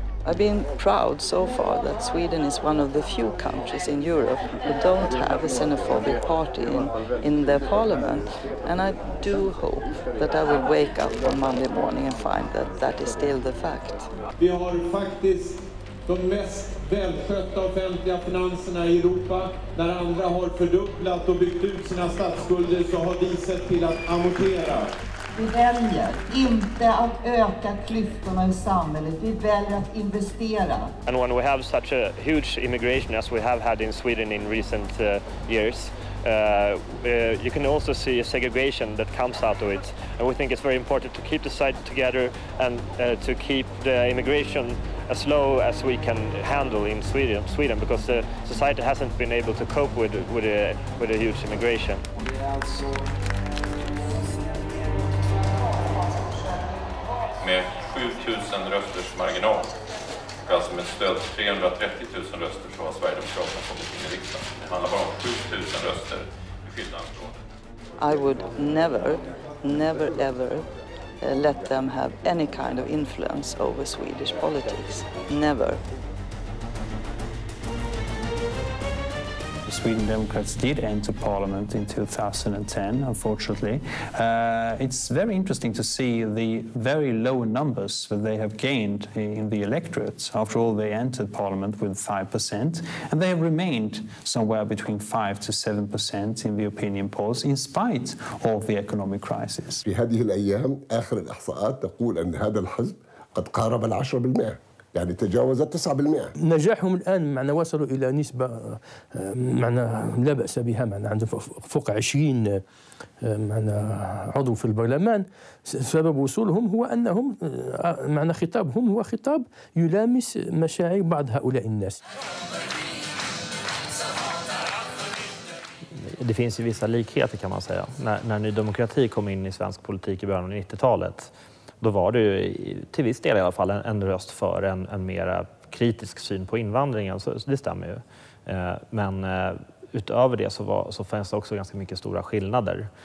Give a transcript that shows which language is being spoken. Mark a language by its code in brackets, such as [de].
[en] I've been proud so far that Sweden is one of the few countries in Europe who don't have a xenophobic party in their parliament, and I do hope that I will wake up on Monday morning and find that that is still the fact. [sv] Vi har faktiskt de mest välskötta offentliga finanserna i Europa. När andra har fördubblat och byggt ut sina statsskulder så har vi sett till att amortera. Vi väljer inte att öka klyftorna i samhället. Vi väljer att investera. [en] And when we have such a huge immigration as we have had in Sweden in recent years, you can also see a segregation that comes out of it. And we think it's very important to keep the side together and to keep the immigration as low as we can handle in Sweden, because the society hasn't been able to cope with a huge immigration. [sv] Med 7000 rösters marginal, och alltså med stöd 330 000 röster, så har Sverigedemokraterna kommit in i riksdagen. Det handlar bara om 7000 röster i skilda områden. [en] I would never, never ever let them have any kind of influence over Swedish politics. Never. Sweden Democrats did enter parliament in 2010, unfortunately. It's very interesting to see the very low numbers that they have gained in the electorate. After all, they entered parliament with 5%, and they have remained somewhere between 5 to 7% in the opinion polls, in spite of the economic crisis. [ar] في هذه الأيام آخر الإحصاءات تقول أن هذا الحزب قد قارب 10%. يعني تجاوزت 9%. نجاحهم الآن معنا وصلوا إلى نسبة معنا لا بأس بها، معنا عندهم فوق 20 معنا عضو في البرلمان. سبب وصولهم هو أنهم معنا خطابهم هو خطاب يلامس مشاعر بعض هؤلاء الناس. [sv] Det finns ju vissa likheter kan man säga. När Ny Demokrati kom in i svensk politik i början av 90-talet, då var det ju till viss del i alla fall en röst för en mer kritisk syn på invandringen, så det stämmer ju. Men utöver det så fanns det också ganska mycket stora skillnader.